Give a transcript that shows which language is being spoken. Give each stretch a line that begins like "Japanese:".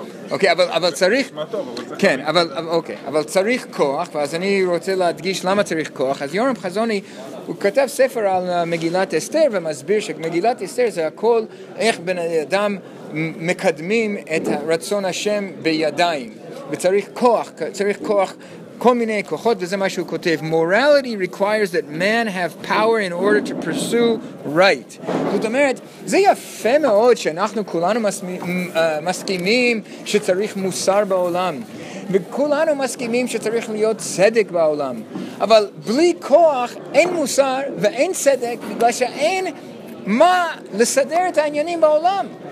Hebrew: אוקיי, אבל צריך... כן, אבל אוקיי, אבל צריך כוח, ואז אני רוצה להדגיש למה צריך כוח. אז יורם חזוני, הוא כתב ספר על מגילת אסתר, ומסביר שמגילת אסתר זה הכל איך בן אדם מקדמים את רצון השם בידיים. וצריך כוח, צריך כוח, כל מיני כוחות, וזה מה שהוא כותב.
English: Morality requires that man have power in order to pursue right.
Hebrew: זאת אומרת, זה יפה מאוד שאנחנו כולנו מסכימים שצריך מוסר בעולם. וכולנו מסכימים שצריך להיות צדק בעולם. אבל בלי כוח אין מוסר ואין צדק, בגלל שאין מה לסדר את העניינים בעולם.